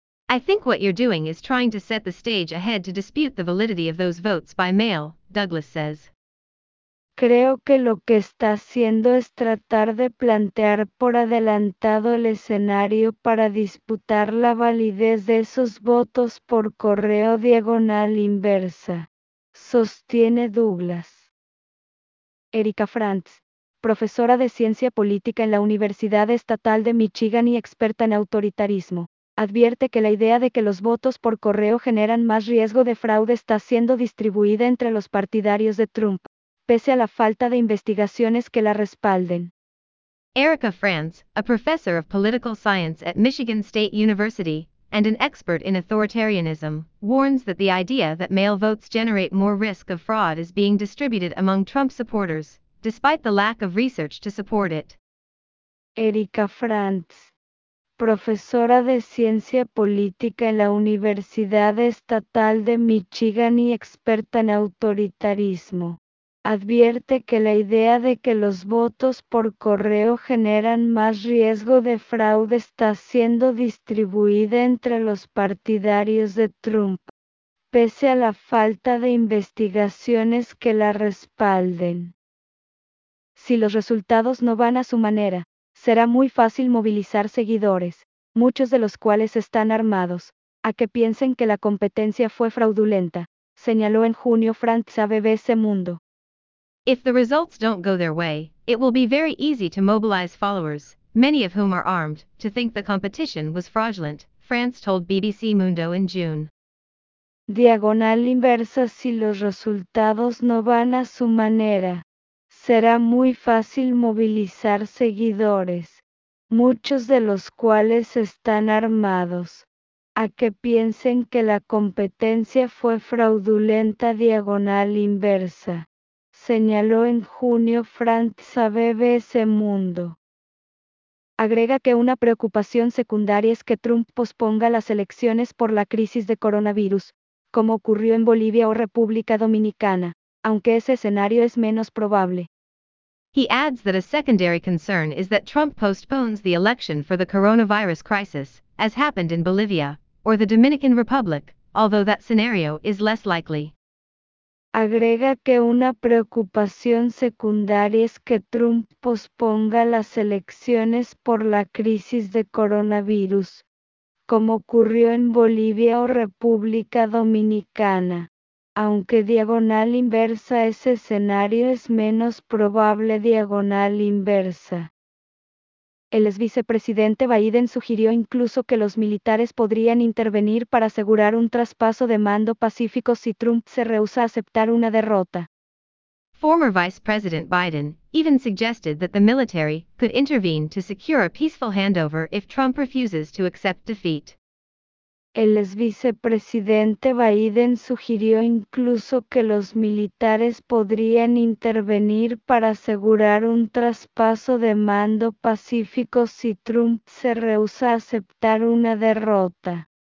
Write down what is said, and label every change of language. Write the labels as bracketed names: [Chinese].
[English] I think what you're doing is trying to set the stage ahead to dispute the validity of those votes by mail, Douglas says. [Spanish] Creo que lo que está haciendo es tratar de plantear por adelantado el escenario para disputar la validez de esos votos por correo diagonal inversa, sostiene Douglas. Erika Frantz, profesora de ciencia política en la Universidad Estatal de Michigan y experta en autoritarismo, advierte que la idea de que los votos por correo generan más riesgo de fraude está siendo distribuida entre los partidarios de Trump, pese a la falta de investigaciones que la respalden. [English] Erica France, a professor of political science at Michigan State University, and an expert in authoritarianism, warns that the idea that mail votes generate more risk of fraud is being distributed among Trump supporters, despite the lack of research to support it. [Spanish] Erica France, profesora de ciencia política en la Universidad Estatal de Michigan y experta en autoritarismo, advierte que la idea de que los votos por correo generan más riesgo de fraude está siendo distribuida entre los partidarios de Trump, pese a la falta de investigaciones que la respalden. Si los resultados no van a su manera, será muy fácil movilizar seguidores, muchos de los cuales están armados, a que piensen que la competencia fue fraudulenta, señaló en junio France a BBC Mundo. [English] If the results don't go their way, it will be very easy to mobilize followers, many of whom are armed, to think the competition was fraudulent, France told BBC Mundo in June. [Spanish] Diagonal inversa, si los resultados no van a su manera, será muy fácil movilizar seguidores, muchos de los cuales están armados, a que piensen que la competencia fue fraudulenta, diagonal inversa, señaló en junio France a BBC Mundo. Agrega que una preocupación secundaria es que Trump posponga las elecciones por la crisis de coronavirus, como ocurrió en Bolivia o República Dominicana, aunque ese escenario es menos probable. [English] He adds that a secondary concern is that Trump postpones the election for the coronavirus crisis, as happened in Bolivia, or the Dominican Republic, although that scenario is less likely. [Spanish] Agrega que una preocupación secundaria es que Trump posponga las elecciones por la crisis de coronavirus, como ocurrió en Bolivia o República Dominicana, aunque diagonal inversa ese escenario es menos probable, diagonal inversa. El exvicepresidente Biden sugirió incluso que los militares podrían intervenir para asegurar un traspaso de mando pacífico si Trump se rehúsa a aceptar una derrota. [English] Former Vice President Biden even suggested that the military could intervene to secure a peaceful handover if Trump refuses to accept defeat. [Spanish] El exvicepresidente Biden sugirió incluso que los militares podrían intervenir para asegurar un traspaso de mando pacífico si Trump se rehúsa a aceptar una derrota.